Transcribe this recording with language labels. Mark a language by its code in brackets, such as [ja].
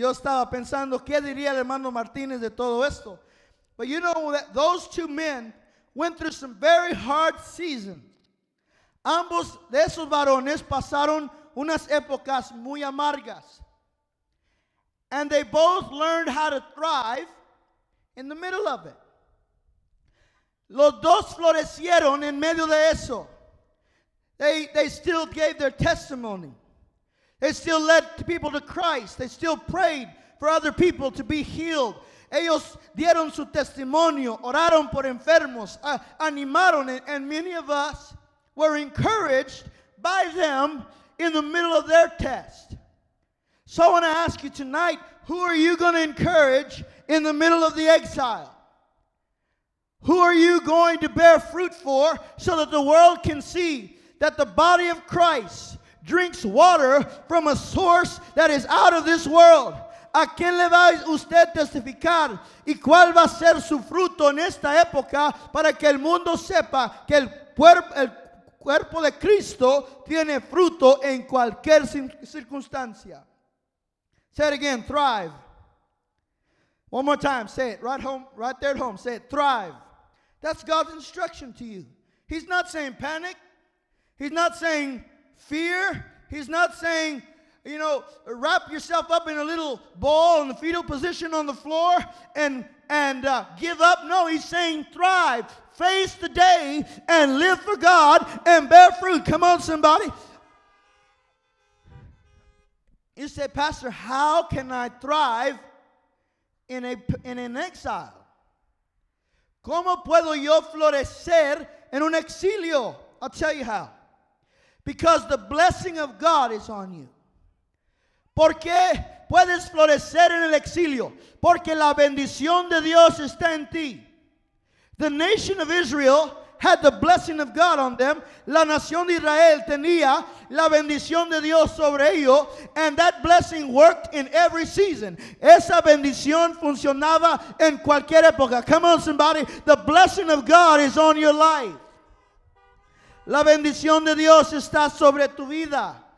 [es] Yo estaba pensando, ¿qué diría el hermano Martinez de todo esto? [en] But you know that those two men went through some very hard seasons. [es] Ambos de esos varones pasaron unas épocas muy amargas. [en] And they both learned how to thrive in the middle of it. [es] Los dos florecieron en medio de eso. [en] They still gave their testimony. They still led people to Christ. They still prayed for other people to be healed. [es] Ellos dieron su testimonio, oraron por enfermos, animaron, [en] and many of us were encouraged by them in the middle of their test. So I want to ask you tonight, who are you going to encourage in the middle of the exile? Who are you going to bear fruit for so that the world can see that the body of Christ drinks water from a source that is out of this world? [es] ¿A quién le va usted testificar? ¿Y cuál va a ser su fruto en esta época para que el mundo sepa que el cuerpo de Cristo tiene fruto en cualquier circunstancia? [en] Say it again, thrive. One more time, say it right home, right there at home. Say it, thrive. That's God's instruction to you. He's not saying panic. He's not saying fear. He's not saying, you know, wrap yourself up in a little ball in the fetal position on the floor and give up. No, he's saying thrive. Face the day and live for God and bear fruit. Come on, somebody. You say, Pastor, how can I thrive in an exile? [es] ¿Cómo puedo yo florecer en un exilio? [en] I'll tell you how. Because the blessing of God is on you. [es] ¿Por qué puedes florecer en el exilio? Porque la bendición de Dios está en ti. [en] The nation of Israel had the blessing of God on them. [es] La nación de Israel tenía la bendición de Dios sobre ellos. [en] And that blessing worked in every season. [es] Esa bendición funcionaba en cualquier época. [en] Come on, somebody. The blessing of God is on your life. [es] La bendición de Dios está sobre tu vida.